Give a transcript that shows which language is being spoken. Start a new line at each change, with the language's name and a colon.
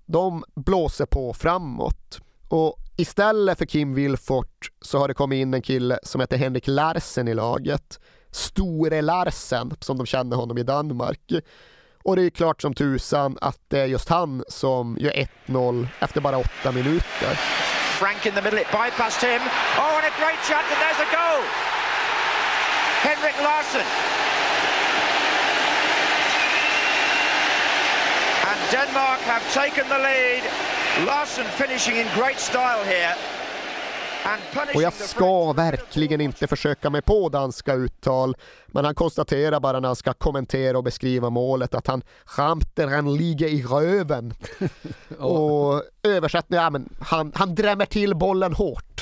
Swedish: De blåser på framåt. Och istället för Kim Vilfort så har det kommit in en kille som heter Henrik Larsen i laget. Store Larsen, som de känner honom i Danmark. Och det är klart som tusan att det är just han som gör 1-0 efter bara 8 minuter.
English: Frank in the middle, it bypassed him. Oh, and a great shot, and there's a goal! Henrik Larsen! Denmark have taken the lead. Larsen finishing in great style here.
Swedish: Och jag ska verkligen inte försöka mig på danska uttal, men han konstaterar bara när han ska kommentera och beskriva målet att han skämter, han ligger i röven. Och översättning, ja, men han drämmer till bollen hårt.